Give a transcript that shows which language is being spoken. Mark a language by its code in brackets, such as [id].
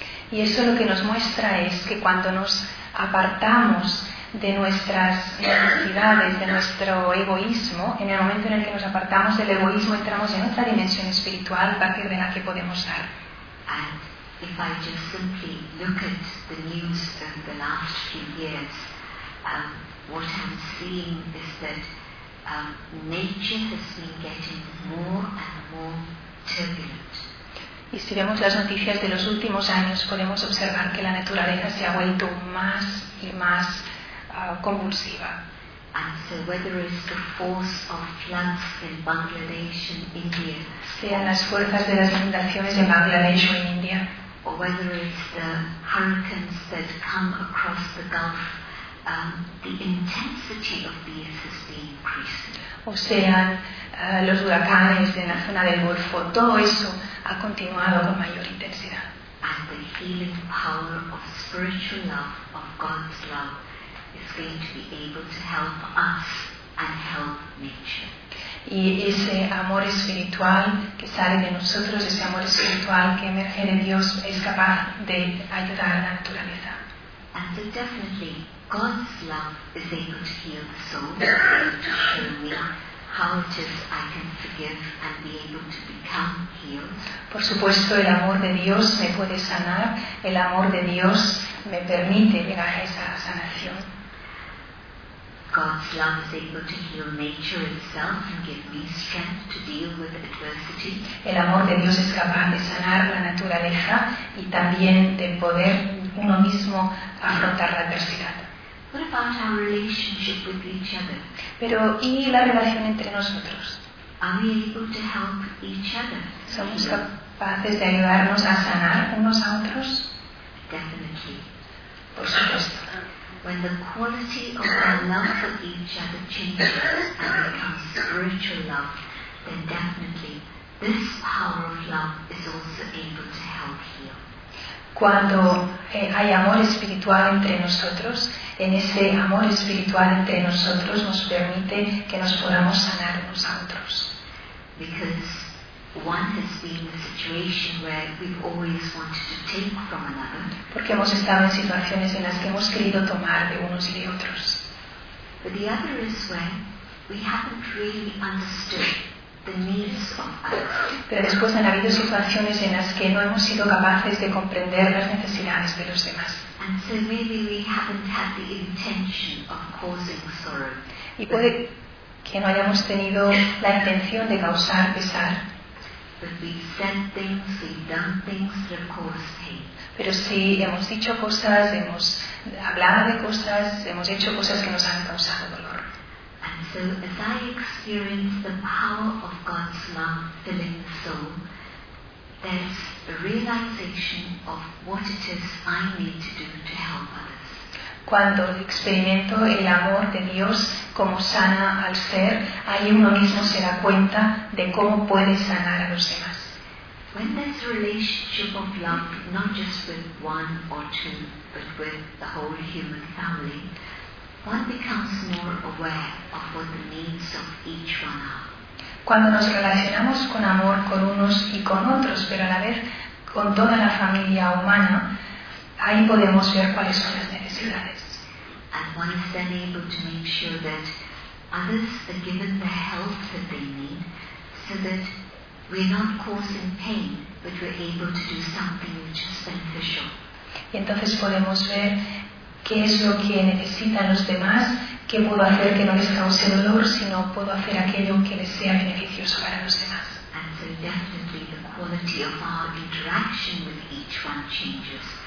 [es] Y eso lo que nos muestra es que cuando nos apartamos de nuestras necesidades, de nuestro egoísmo, en el momento en el que nos apartamos del egoísmo, entramos en otra dimensión espiritual a partir de la que podemos dar. [en] And if I just simply look at the news of the last few years, what I'm seeing is that nature has been getting more and more turbulent. [es] Y si vemos las noticias de los últimos años, podemos observar que la naturaleza se ha vuelto más y más convulsiva. [en] And so whether it's the force of floods in Bangladesh and India, [es] sean las fuerzas de las inundaciones en Bangladesh o en India, [en] or whether it's the hurricanes that come across the Gulf, the intensity of these has been increasing. [es] O sean los huracanes en la zona del Golfo, todo eso ha continuado con mayor intensidad. [en] And the healing power of spiritual love, of God's love, is going to be able to help us and help nature. [es] Y ese amor espiritual que sale de nosotros, ese amor espiritual que emerge de Dios, es capaz de ayudar a la naturaleza. [en] And so definitely, God's love is able to heal the soul, to show me how it is I can forgive and be able to become healed. [es] Por supuesto, el amor de Dios me puede sanar. El amor de Dios me permite llegar a esa sanación. [en] God's love is able to heal nature itself and give me strength to deal with adversity. [es] El amor de Dios es capaz de sanar la naturaleza y también de poder uno mismo afrontar la adversidad. [en] What about our relationship with each other? [es] Pero ¿y la relación entre nosotros? [en] Are we able to help each other? [es] ¿Somos capaces de ayudarnos a sanar unos a otros? [en] Definitely. [es] Por supuesto. [en] When the quality of our love for each other changes and becomes spiritual love, then definitely this power of love is also able to help heal. [es] Cuando hay amor espiritual entre nosotros, en ese amor espiritual entre nosotros nos permite que nos podamos sanar unos a otros. [en] Because one has been the situation where we've always wanted to take from another. [es] Porque hemos estado en situaciones en las que hemos querido tomar de unos y de otros. [en] But the other is when we haven't really understood the needs of others. [es] Pero después han habido situaciones en las que no hemos sido capaces de comprender las necesidades de los demás. [en] And so maybe we haven't had the intention of causing sorrow. [es] Y puede que no hayamos tenido la intención de causar pesar. [en] But we've said things, we've done things that have caused pain. [es] Pero sí, hemos dicho cosas, hemos hablado de cosas, hemos hecho cosas que nos han causado dolor. [en] So as I experience the power of God's love filling the soul, there's a realization of what it is I need to do to help others. [es] Cuando experimento el amor de Dios como sana al ser, ahí uno mismo se da cuenta de cómo puede sanar a los demás. [en] When there's a relationship of love, not just with one or two, but with the whole human family, one becomes more aware of what the needs of each one are. [es] Cuando nos relacionamos con amor con unos y con otros, pero a la vez con toda la familia humana, ahí podemos ver cuáles son las necesidades. [en] And one is then able to make sure that others are given the help that they need, so that we're not causing pain, but we're able to do something which is beneficial. [es] Y entonces podemos ver qué es lo que necesitan los demás, qué puedo hacer que no les cause dolor, sino puedo hacer aquello que les sea beneficioso para los demás. [en] And so definitely the quality of our interaction with each one changes.